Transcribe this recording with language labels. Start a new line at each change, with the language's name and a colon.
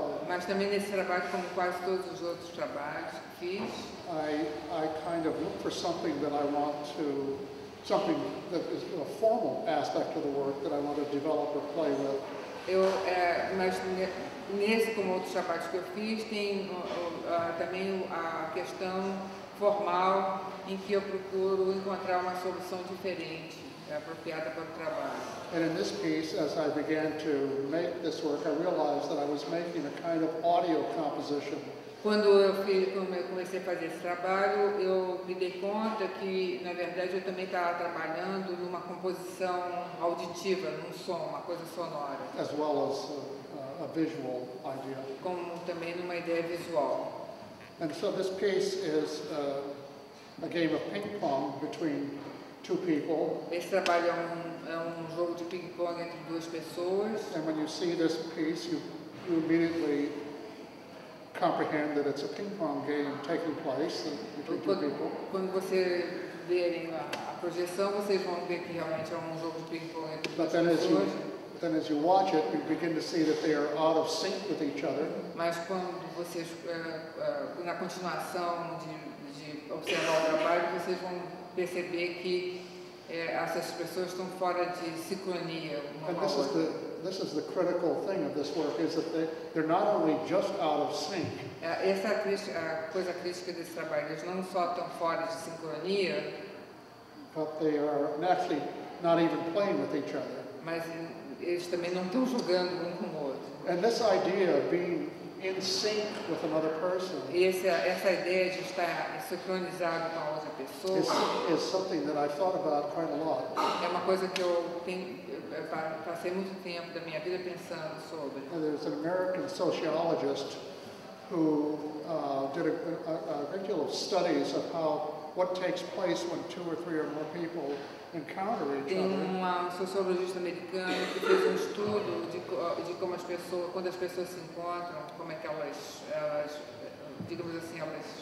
Portuguese: mas também nesse trabalho, como quase todos os outros trabalhos que fiz,
English: I kind of look for something that I want to, something that is a formal aspect of the work that I want to develop or play with.
Portuguese: Eu, mas nesse, como outros trabalhos que eu fiz, tem também a questão formal, em que eu procuro encontrar uma solução diferente, apropriada para o trabalho.
English: And in this piece, as I began to make this work, I realized that I was making a kind of audio composition.
Portuguese: Quando eu comecei a fazer esse trabalho, eu me dei conta que, na verdade, eu também estava trabalhando numa composição auditiva, num som, uma coisa sonora.
English: As well as a visual idea.
Portuguese: Como também numa ideia visual.
English: And so this piece is a game of ping pong between two people.
Portuguese: Esse trabalho é um jogo de ping pong entre duas pessoas.
English: And when you see this piece, you immediately comprehend that it's a ping pong game taking place between two people.
Portuguese: Quando vocês verem a projeção, vocês vão ver que realmente é um jogo de ping pong entre duas pessoas.
English: Then as you watch it, you begin to see that they are out of sync with each other.
Portuguese: Mas quando vocês na continuação de observar o trabalho, vocês vão perceber que essas pessoas estão fora de sincronia.
English: This is the critical thing of this work, is that they're not only just out of sync.
Portuguese: Essa é a coisa crítica desse trabalho. Eles não só estão fora de sincronia,
English: but they are actually not even playing with each other.
Portuguese: Mas eles também não estão jogando um com o outro.
English: And this idea of being in sync with another person.
Portuguese: Essa ideia de estar sincronizado com a outra pessoa
English: is something that I thought about quite a lot.
Portuguese: É uma coisa que eu passei muito tempo da minha vida pensando sobre.
English: And there's an American sociologist who did a great deal of studies of how what takes place when two or three or more people encounter each other.
Portuguese: Tem uma sociologista americana que fez um estudo de como as pessoas, quando as pessoas se encontram, como é que elas digamos assim, elas.